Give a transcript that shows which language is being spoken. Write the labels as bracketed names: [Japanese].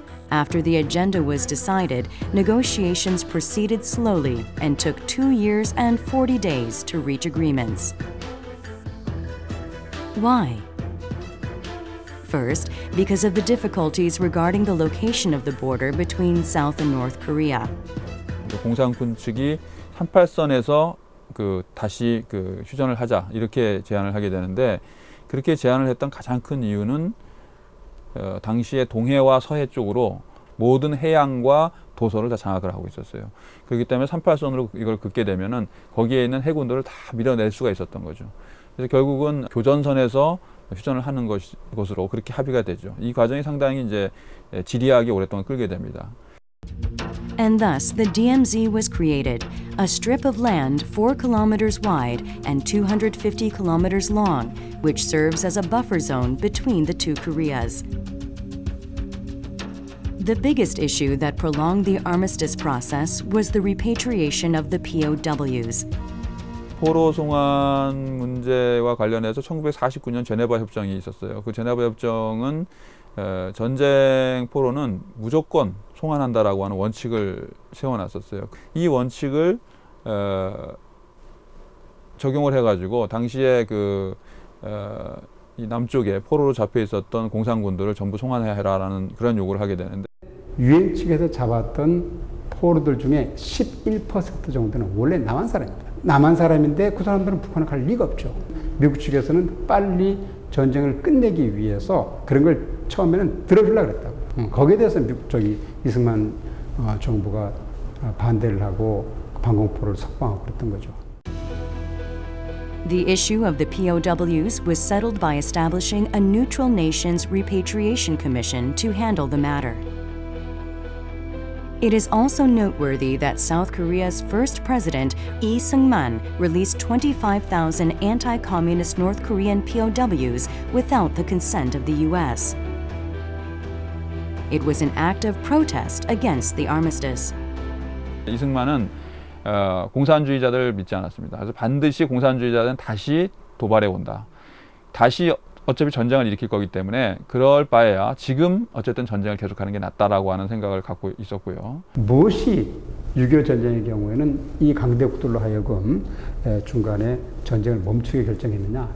[English] After the agenda was decided, negotiations proceeded slowly and took 2 years and 40 days to reach agreements. Why? first because of the difficulties regarding the location of the border between South and North Korea. [Korean] 공장 건축이 38선에서 그 다시 그 휴전을 하자 이렇게 제안을 하게 되는데 그렇게 제안을 했던 가장 큰 이유는 당시에 동해와 서해 쪽으로 모든 해양과 도서를 다 장악을 하고 있었어요. 그렇기 때문에 38선으로 이걸 긋게 되면은 거기에 있는 해군들을 다 밀어낼 수가 있었던 거죠. 그래서 결국은 교전선에서 휴전을 하는 것으로 그렇게 합의가 되죠. 이 과정이 상당히 이제 지리하게 오랫동안 끌게 됩니다. [English] And thus the DMZ was created, a strip of land 4 kilometers wide and 250 kilometers long, which serves as a buffer zone between the two Koreas. The biggest issue that prolonged the armistice process was the repatriation of the POWs. [Korean] 포로 송환 문제와 관련해서 1949년 제네바 협정이 있었어요. 그 제네바 협정은 전쟁 포로는 무조건 송환한다라고 하는 원칙을 세워놨었어요. 이 원칙을 적용을 해가지고 당시에 그 이 남쪽에 포로로 잡혀 있었던 공산군들을 전부 송환해라라는 그런 요구를 하게 되는데 유엔 측에서 잡았던 포로들 중에 11% 정도는 원래 남한 사람입니다. 남한 사람인데 그 사람들은 북한에 갈 리가 없죠. 미국 측에서는 빨리 전쟁을 끝내기 위해서 그런 걸 처음에는 들어주려고 그랬다고. 거기에 대해서 미국 쪽이 이승만 정부가 반대를 하고 방공포를 석방하고 그랬던 거죠. [English] The issue of the POWs was settled by establishing a neutral nations repatriation commission to handle the matter. It is also noteworthy that South Korea's first president, Lee Seung-man, released 25,000 anti-communist North Korean POWs without the consent of the U.S. It was an act of protest against the armistice. [Korean] 이승만은 공산주의자들을 믿지 않았습니다. 그래서 반드시 공산주의자들은 다시 도발해 온다. 다시 어차피 전쟁을 일으킬 거기 때문에 그럴 바에야 지금 어쨌든 전쟁을 계속하는 게 낫다라고 하는 생각을 갖고 있었고요. 무엇이 6.25 전쟁의 경우에는 이 강대국들로 하여금 중간에 전쟁을 멈추게 결정했느냐.